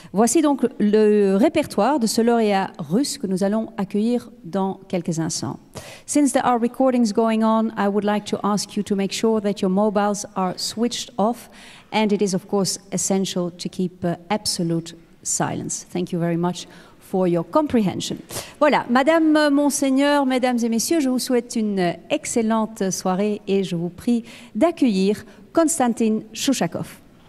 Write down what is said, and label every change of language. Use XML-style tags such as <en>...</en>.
<fr>Voici donc le répertoire de ce lauréat russe que nous allons accueillir dans quelques instants.</fr> <en>Since there are recordings going on, I would like to ask you to make sure that your mobiles are switched off. And it is, of course, essential to keep absolute silence. Thank you very much for your comprehension.</en> <fr>Voilà, Madame, Monseigneur, Mesdames et Messieurs, je vous souhaite une excellente soirée et je vous prie d'accueillir Konstantin Shushakov.</fr>